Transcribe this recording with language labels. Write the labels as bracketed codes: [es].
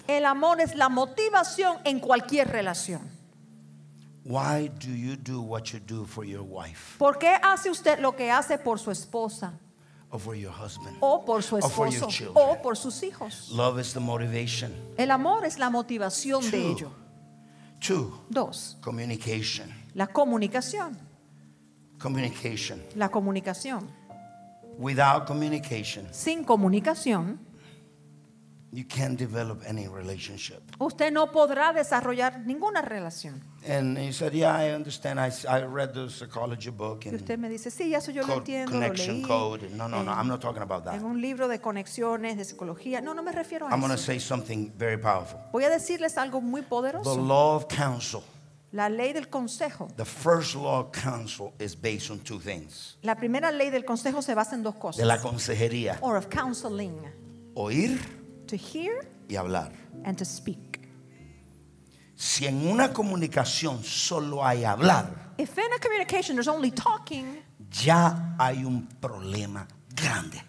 [es] El amor es la motivación en cualquier relación. [en] Why do you do what you do for your wife? [es] ¿Por qué hace usted lo que hace por su esposa? [en] Or for your husband, [es] o por su esposo, [en] or for your children. [es] O por sus hijos. [en] Love is the motivation. [es] El amor es la motivación [en] Two. [es] De ello. [en] Two. [es] Dos. [en] Communication. [es] La comunicación. [en] Communication. [es] La comunicación. [en] Without communication. [es] Sin comunicación. [en] You can't develop any relationship. [es] Usted no podrá desarrollar ninguna relación. [en] And he said, "Yeah, I understand. I read the psychology book and [es] usted me dice, sí, eso yo lo entiendo, [en] connection [es] lo leí. [en] Code. No, I'm not talking about that. [es] En un libro de conexiones de psicología. No, no me refiero a [en] I'm I'm going to say something very powerful. [es] Voy a decirles algo muy poderoso. [en] The law of counsel. [es] La ley del consejo. [en] The first law of counsel is based on two things. [es] La primera ley del consejo se basa en dos cosas. De la consejería. [en] Or of counseling. [es] Oír. [en] To hear [es] y hablar. [en] And to speak. [es] Si en una comunicación solo hay hablar, [en] if in a communication there's only talking, [es] ya hay un problema grande.